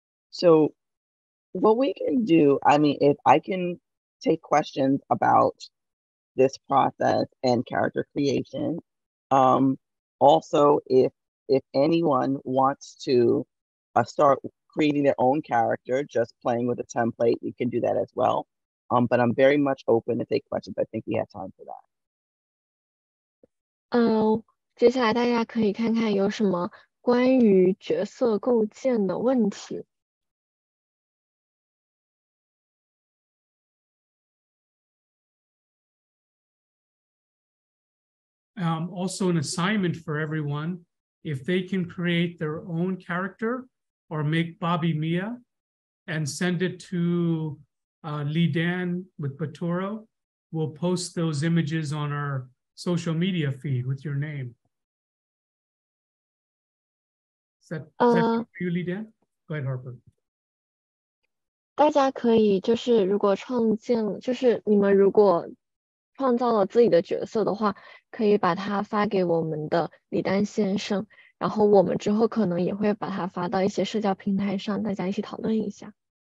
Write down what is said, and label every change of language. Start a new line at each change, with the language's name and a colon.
English: So what we can do, I mean, if I can take questions about this process and character creation, also if anyone wants to start creating their own character, just playing with a template, we can do that as well. But I'm very much open to take questions. I think we have time for that.
Chinese: 接下来大家可以看看有什么关于角色构建的问题。
English: Also an assignment for everyone, if they can create their own character,or make Bobby Mia and send it to Lee Dan with Patoro, we'll post those images on our social media feed with your name. Is that for you, Lee Dan? Go ahead, Harper.
Chinese: 大家可以就是如果创建就是你们如果创造了自己的角色的话可以把它发给我们的李丹先生然后我们之后可能也会把它发到一些社交平台上大家一起讨论一下